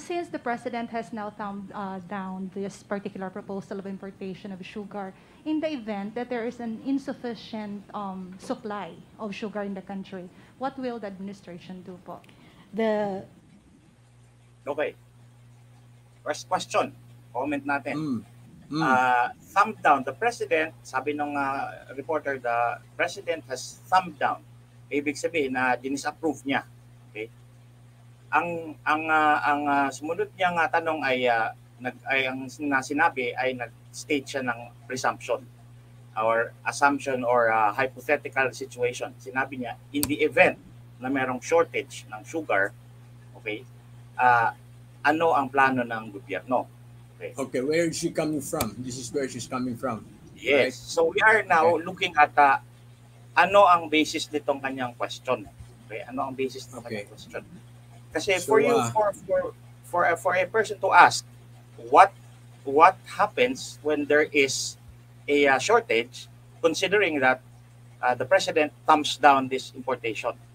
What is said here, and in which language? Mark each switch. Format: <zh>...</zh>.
<en>since the president has now thumbed down this particular proposal of importation of sugar, in the event that there is an insufficient supply of sugar in the country, what will the administration do po? Okay. First question, comment natin. thumbed down. The president, sabi nung reporter, the president has thumbed down.</en> <tl>Ibig sabihin na dinisapprove niya. Okay? Ang sumunod niya nga tanong ay ang sinabi ay nag-state siya ng</tl> <en>presumption or assumption or hypothetical situation.</en> <tl>Sinabi niya,</tl> <en>in the event</en> <tl>na merong shortage ng sugar, okay, ano ang plano ng gobyerno?</tl> <en>Okay. Okay, where is she coming from? This is where she's coming from. Yes, right? So we are now looking at</en> <tl>ano ang basis nitong kanyang</tl> <en>question.</en> <tl>Okay, ano ang basis ng kanyang question?</tl> <en>Kasi so, for you, for a person to ask, what happens when there is a shortage, considering that the president thumbs down this importation?</en>